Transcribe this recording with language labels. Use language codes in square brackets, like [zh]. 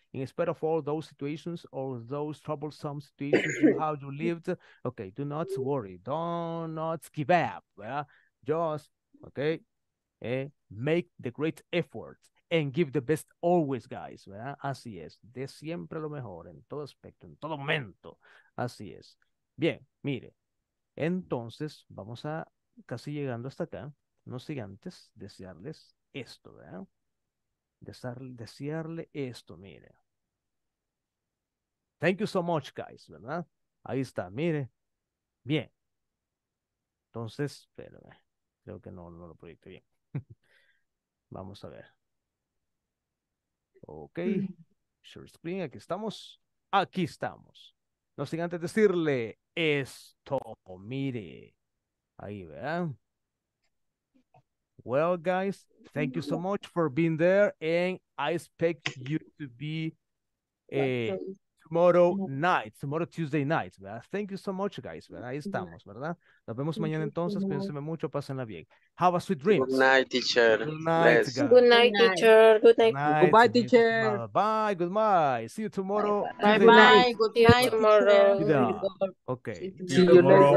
[en] In spite of all those situations or those troublesome situations, how you lived, okay, do not worry. Do not give up. Yeah? Just, okay, make the great effort and give the best always, guys. [es] ¿Verdad? Así es. De siempre lo mejor, en todo aspecto, en todo momento. Así es. Bien, mire. Entonces, vamos a casi llegando hasta acá. No sé, antes desearles esto, ¿verdad? Desearle esto, mire. [en] Thank you so much, guys, [es] ¿verdad? Ahí está, mire. Bien. Entonces, espérame. Creo que no lo proyecté bien. Vamos a ver. Ok. [en] Share screen, [es] aquí estamos. Aquí estamos. No sin antes decirle esto, mire. Ahí, ¿verdad? [en] Well, guys, thank you so much for being there, and I expect you to be tomorrow Tuesday night, [es] ¿verdad? [en] Thank you so much, guys, [es] ¿verdad? Ahí estamos, ¿verdad? Nos vemos mañana entonces, cuídense mucho, pásenla bien. [en] Have a sweet dreams. Good night, teacher. Good night, guys. Good night, teacher. Good night. Goodbye, teacher. Bye, goodbye. See you tomorrow. Bye-bye. Good night tomorrow. Yeah. Okay. See you tomorrow.